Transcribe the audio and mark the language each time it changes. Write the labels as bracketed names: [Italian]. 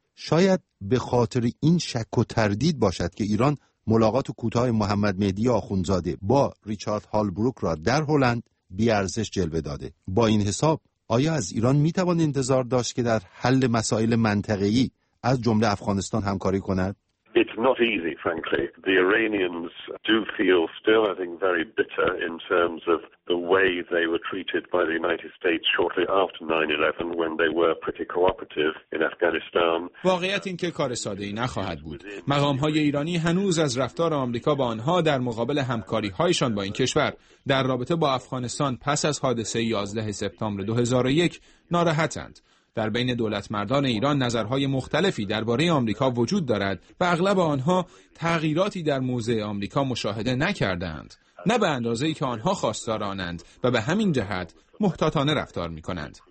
[Persian] شاید به خاطر این شک و تردید باشد که ایران ملاقات کوتاه محمد مهدی آخوندزاده با ریچارد هالبروک را در هلند بی‌ارزش جلوه داده. با این حساب آیا از ایران میتوان انتظار داشت که در حل مسائل منطقه‌ای از جمله افغانستان همکاری کند؟ [English] It's not easy, frankly. The Iranians do feel still, I think, very bitter in terms of the way they were treated by the United States shortly after 9/11, when they were pretty cooperative in Afghanistan. [Persian] واقعیت این که کار ساده‌ای نخواهد بود. مقام‌های ایرانی هنوز از رفتار آمریکا با آنها در مقابل همکاری‌هایشان با این کشور در رابطه با افغانستان پس از حادثه 11 سپتامبر 2001 ناراحتند. در بین دولت مردان ایران نظرهای مختلفی درباره آمریکا وجود دارد و اغلب آنها تغییراتی در موضع آمریکا مشاهده نکردند، نه به اندازه‌ای که آنها خواستار آنند، و به همین جهت محتاطانه رفتار می‌کنند.